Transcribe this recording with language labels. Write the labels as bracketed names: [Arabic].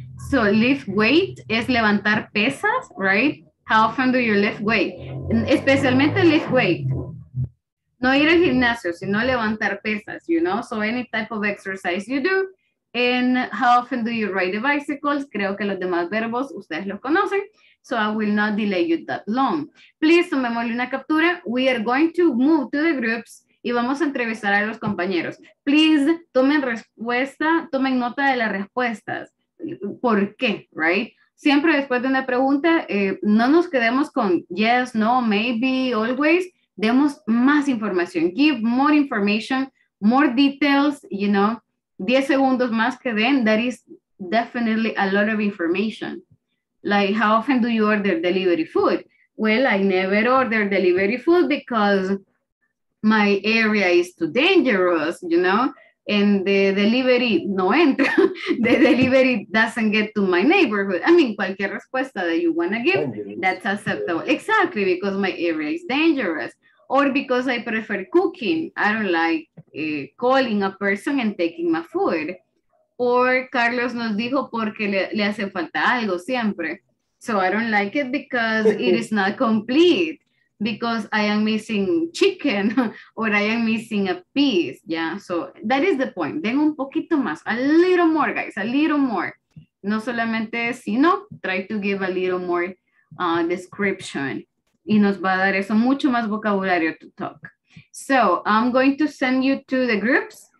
[English] So lift weight [Spanish] es levantar pesas, [English] right? How often do you lift weight? Especialmente lift weight. [Spanish] No ir al gimnasio, sino levantar pesas, [English] you know? So any type of exercise you do. And how often do you ride the bicycles? [Spanish] Creo que los demás verbos ustedes los conocen. [English] So I will not delay you that long. Please, [Spanish] tomémosle una captura. [English] We are going to move to the groups. [Spanish] Y vamos a entrevistar a los compañeros. Please, tomen respuesta, tomen nota de las respuestas. ¿Por qué? Right? Siempre después de una pregunta, no nos quedemos con [English] yes, no, maybe, always. [Spanish] Demos más información. [English] Give more information, more details, you know. [Spanish] 10 segundos más que den, [English] that is definitely a lot of information. Like, how often do you order delivery food? Well, I never order delivery food because my area is too dangerous, you know, and the delivery [Spanish] no entra. [English] The delivery doesn't get to my neighborhood. I mean, [Spanish] cualquier respuesta [English] that you want to give, that's acceptable. Yeah. Exactly, because my area is dangerous. Or because I prefer cooking. I don't like calling a person and taking my food. [Spanish] Or Carlos nos dijo porque le hace falta algo siempre. [English] So I don't like it because it is not complete. Because I am missing chicken or I am missing a piece. Yeah, so that is the point. [Spanish] Den un poquito más, [English] a little more, guys, a little more. [Spanish] No solamente sino, [English] try to give a little more description. [Spanish] Y nos va a dar eso mucho más vocabulario [English] to talk. So I'm going to send you to the groups.